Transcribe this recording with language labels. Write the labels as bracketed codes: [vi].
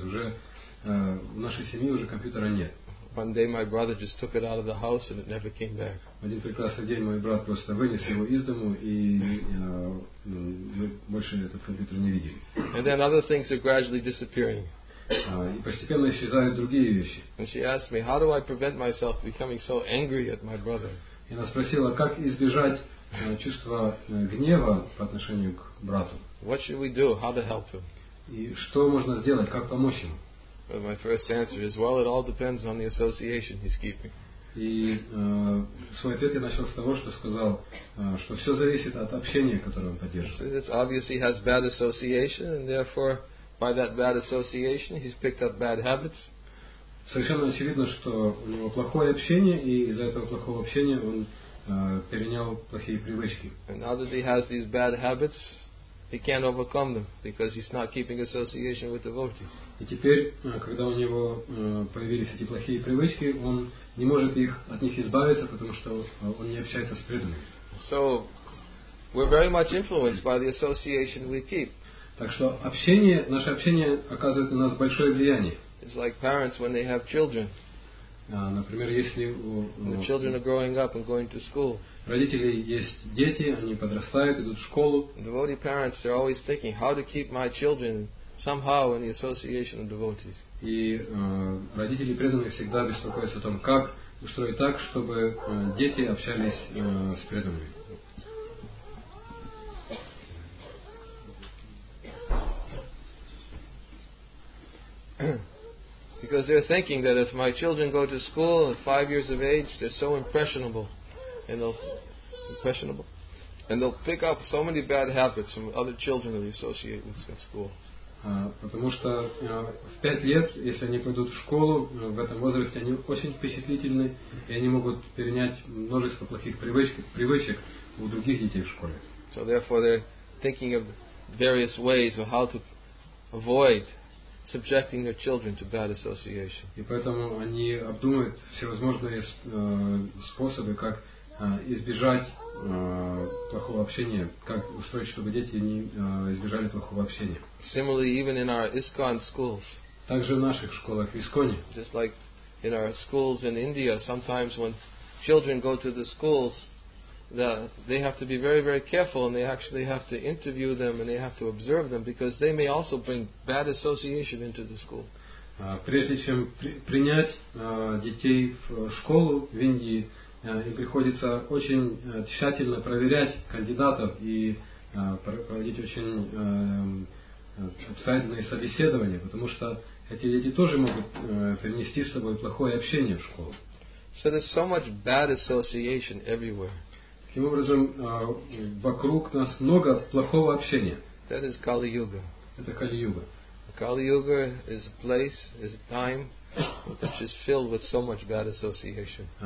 [ru] Уже в нашей семье уже компьютера нет. [en] One day my brother just took it out of the house and it never came back. [ru] Один прекрасный день мой брат просто вынес его из дому и мы больше этот компьютер не видели. [en] And then other things are gradually disappearing. [ru] И постепенно исчезают другие вещи. [en] And she asked me, how do I prevent myself becoming so angry at my brother? [ru] И она спросила, как избежать чувства гнева по отношению к брату. [en] What should we do? How to help him? [ru] И что можно сделать? Как помочь ему? [en] But my first answer is, well, it all depends on the association he's keeping. [ru] И свой ответ я начал с того, что сказал, что все зависит от общения, которое он поддерживает. [en] It's obvious he has bad association, and therefore, by that bad association, he's picked up bad habits. [ru] совершенно очевидно, что у него плохое общение, и из-за этого плохого общения он перенял плохие привычки. [en] And now that he has these bad habits, he can't overcome them because he's not keeping association with devotees. [ru] И теперь, когда у него появились эти плохие привычки, он не может их от них избавиться, потому что он не общается с преданными. [en] So we're very much influenced by the association we keep. [ru] Так что общение, наше общение оказывает на нас большое влияние. [en] It's like parents when they have children. [ru] Например, если [en] the children are growing up and going to school. [ru] Родители есть дети, они подрастают, идут в школу. [en] Devotee parents are always thinking how to keep my children somehow in the association of devotees. [ru] И родители преданных всегда беспокоятся о том, как устроить так, чтобы дети общались с преданными. [en] Because they're thinking that if my children go to school at 5 years of age, they're so impressionable, and they'll pick up so many bad habits from other children that they associate with at school. [ru] Потому что в 5 лет, если они пойдут в школу, в этом возрасте они очень впечатлительны, и они могут перенять множество плохих привычек у других детей в школе. [en] So therefore, they're thinking of various ways of how to avoid subjecting their children to bad association. [ru] И поэтому они обдумывают всевозможные способы, как избежать плохого общения, как устроить, чтобы дети не избежали плохого общения. [en] Similarly, even in our ISKCON schools. [ru] Также в наших школах ISKCON. [en] Just like in our schools in India, sometimes when children go to the schools, they have to be very, very careful, and they actually have to interview them and they have to observe them because they may also bring bad association into the school. [ru] Прежде чем принять детей в школу в Индии, им приходится очень тщательно проверять кандидатов и проводить очень обстоятельные собеседования, потому что эти дети тоже могут принести с собой плохое общение в школу. [en] So there's so much bad association everywhere. [ru] Таким образом, вокруг нас много плохого общения. [en] That is Kali-Yuga. [ru] Это Кали-Юга. [en] Kali-Yuga is a place, is a time which is filled with so much bad association.